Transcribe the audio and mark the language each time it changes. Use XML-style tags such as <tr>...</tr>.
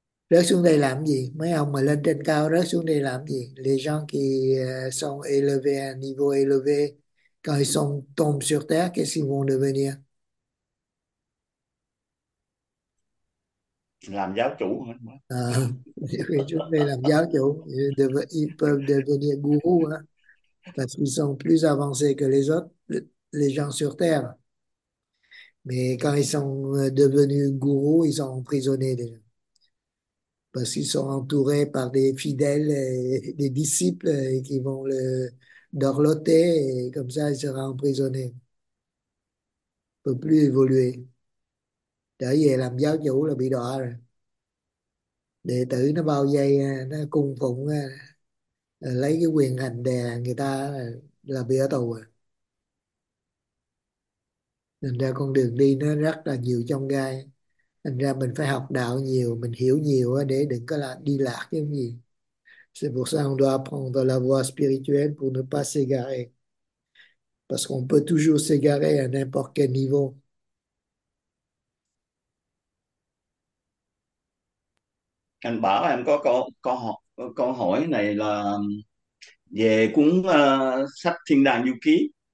<vi>Rớt xuống đây làm gì? Mấy ông mà lên trên cao rớt xuống đây làm gì?</vi> <fr>Les gens qui sont élevés à niveau élevé, quand ils sont tombés sur terre, qu'est-ce qu'ils vont devenir?</fr> <vi>Làm giáo chủ À, hả? chúng đây làm giáo chủ,</vi> <fr>ils peuvent devenir guru hein? Parce qu'ils sont plus avancés que les autres, les gens sur Terre. Mais quand ils sont devenus guru, ils sont emprisonnés déjà. Parce qu'ils sont entourés par des fidèles et des disciples et qui vont le dorloter et comme ça, ils seront emprisonnés. Ils ne peuvent plus évoluer. D'ailleurs,</fr> <vi>làm giáo chủ là bị đọa rồi. Đệ tử nó bao dây, nó cung phụng, lấy cái quyền hành đè người ta là bị ở tù rồi. Thành ra con đường đi nó rất là nhiều chông gai. Thành ra mình phải học đạo nhiều, mình hiểu nhiều để đừng có là đi lạc cái gì.</vi> <fr>C'est pour ça qu'on doit apprendre la voie spirituelle pour ne pas s'égarer. Parce qu'on peut toujours s'égarer à n'importe quel niveau.</fr> <vi>Anh bảo em có câu hỏi này là về cuốn sách Thiên Đàng Du Ký.</vi>